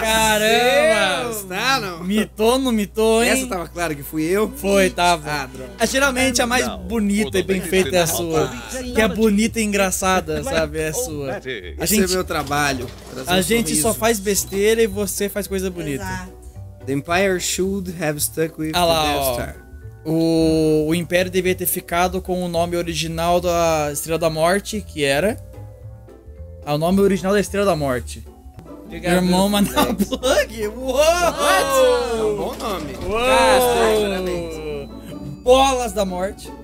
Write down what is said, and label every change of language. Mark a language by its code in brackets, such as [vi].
[pt] Caramba! Tá, não? Mitou, não mitou, hein? Essa tava claro que fui eu. Foi, tava. Ah, droga. É, geralmente a mais bonita e bem feita é a sua. Que é bonita e engraçada, sabe? É a sua. A gente, esse é meu trabalho. A gente só faz besteira e você faz coisa bonita. Exato. [en] The Empire should have stuck with [pt] lá, [en] the Death Star. [pt] O Império devia ter ficado com o nome original da Estrela da Morte, que era... O nome original da Estrela da Morte. Obrigado. Irmão Manoel Plug! Uou! [en] What? [pt] É um bom nome. Uou! Bolas da Morte.